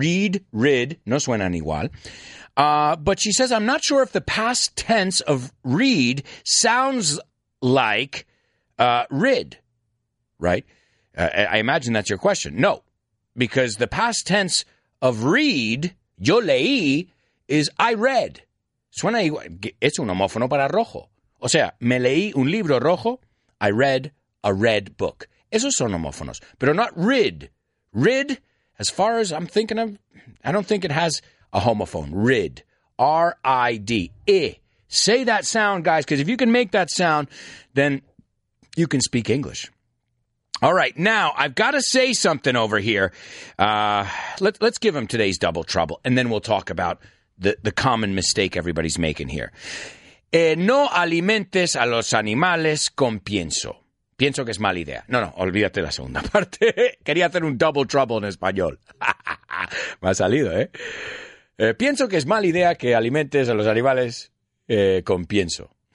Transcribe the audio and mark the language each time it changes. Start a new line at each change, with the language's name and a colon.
English: Read, rid,
Spanish: no suenan igual.
English: But she says, I'm not sure if the past tense of read sounds like rid. Right. I imagine that's your question. No, because the past tense of read,
Spanish: yo leí,
English: is I read.
Spanish: Suena igual. Es un homófono para rojo. O sea, me leí un libro rojo.
English: I read a red book.
Spanish: Esos son homófonos, pero
English: not rid. Rid, as far as I'm thinking of, I don't think it has a homophone. Rid. R-I-D. I. Say that sound, guys, because if you can make that sound, then you can speak English. All right, now, I've got to say something over here. Let's give them today's double trouble, and then we'll talk about the common mistake everybody's making here.
Spanish: No alimentes a los animales con pienso. Pienso que es mala idea. No, olvídate la segunda parte. Quería hacer un double trouble en español. Me ha salido, ¿eh? Pienso que es mala idea que alimentes a los animales con pienso.